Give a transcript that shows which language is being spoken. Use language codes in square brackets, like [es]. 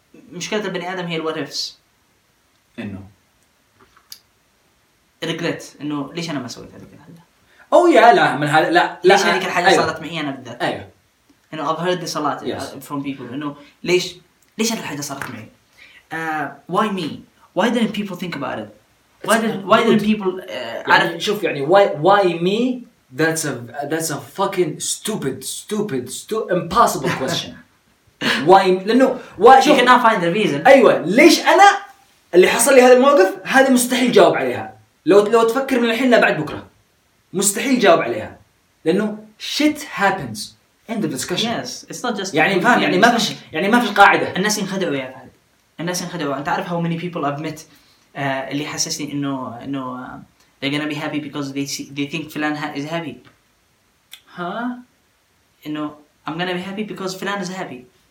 [ar] مشكله البني ادم هي [en] what ifs [ar] انه ريجريت انه ليش انا ما سويت هذا الحل او يا لا من هذا لا ليش هذيك الحاجه أيوه. صارت معي انا بالذات ايوه [en] انه I've heard this a lot yes. from people [ar] انه ليش هذه الحاجه صارت معي [en] why me why didn't people think about it why didn't people [ar] يعني شوف يعني [en] why me that's a fucking stupid impossible question why لانه you cannot find the reason. [ar] ايوه ليش انا اللي حصل لي هذا الموقف هذا مستحيل جاوب عليها لو تفكر من الحين لبعد بكره مستحيل جاوب عليها لانه [en] shit happens in the discussion. yes it's not just [ar] يعني فاهم يعني ما فيش يعني ما فيش قاعده الناس ينخدعوا يا فهد الناس ينخدعوا انت عارف [en] how many people admit [ar] اللي حسسني انه [en] they're gonna be happy because they think فلان is happy [ar] ها [en] انه I'm gonna be happy because فلان is happy.